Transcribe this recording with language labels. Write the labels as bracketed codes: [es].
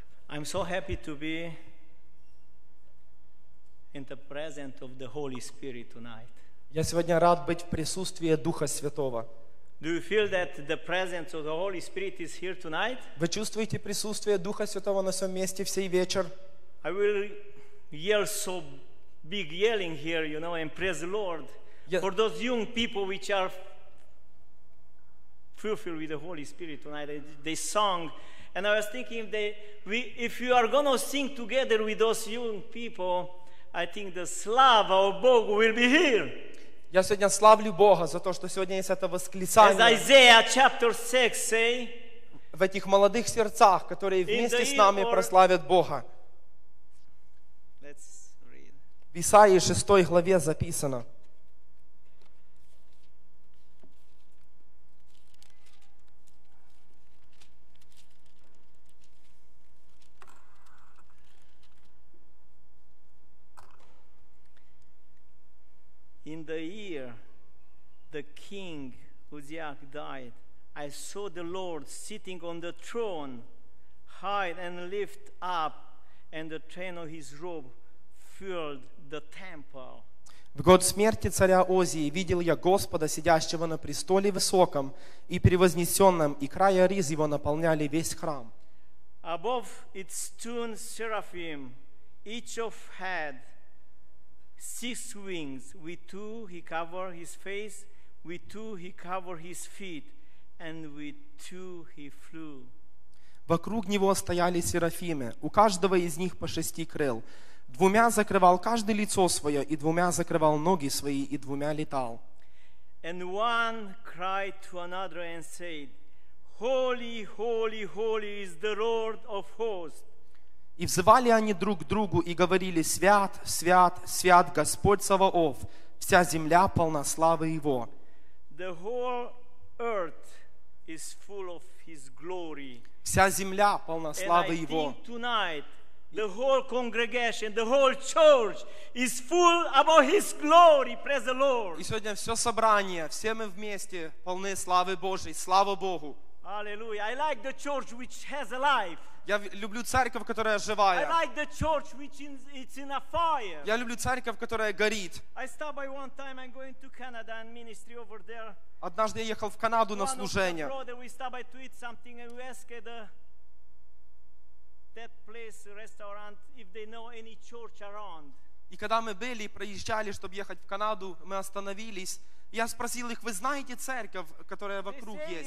[en] I'm so happy to be in the presence of the Holy Spirit tonight. [uk] Я сьогодні рад бути в присутствии Духа Святого. [en] Do you feel that the presence of the Holy Spirit is here tonight? [uk] Ви чувствуєте присутствие Духа Святого на цьому місці всей вечір? [en] I will yell so big yelling here, you know, and praise the Lord for those young people which are filled with the Holy Spirit tonight. They sung, and I was thinking if you are going to sing together with those young people, I think the slava of [uk] Богу [en] will be here. [uk] Я сьогодні славлю Бога за те, що сьогодні є це восклицання. [en] As Isaiah chapter 6 say, [uk] в тих молодих серцях, які вместе з нами прославлять Бога. [en] Let's read. [uk] В Ісаїї 6 главі записано. [en] In the year the king Uzziah died, I saw the Lord sitting on the throne, high and lift up, and the train of his robe filled the temple. [ru] В год смерти царя Озии видел я Господа, сидящего на престоле высоком и превознесенном, и края риз его наполняли весь храм. [en] Above its two seraphim, each of head, six wings, with two he covered his face, with two he covered his feet, and with two he flew. [ru] Вокруг него стояли серафимы, у каждого из них по шести крыл. Двумя закрывал каждый лицо свое, и двумя закрывал ноги свои, и двумя летал. [en] And one cried to another and said, Holy, holy, holy is the Lord of hosts. [ru] И взывали они друг к другу и говорили: «Свят, свят, свят Господь Саваоф, вся земля полна славы Его». [en] The whole earth is full of His glory. [ru] Вся земля полна славы Его. [en] And I think tonight the whole congregation, the whole church is full about His glory. Praise the Lord. [ru] И сегодня все собрание, все мы вместе полны славы Божьей. Слава Богу! [en] Hallelujah. I like the church which has a life. [ru] Я люблю церковь, которая живая. [en] I like the church which is in a fire. [ru] Я люблю церковь, которая горит. [en] I stopped by one time and going to Canada and ministry over there. [ru] Однажды я ехал в Канаду на служение. [en] One of my brother, we stopped by to eat something and we asked that place restaurant if they know any church around. [ru] И когда мы были и проезжали, чтобы ехать в Канаду, мы остановились. Я спросил их: вы знаете церковь, которая вокруг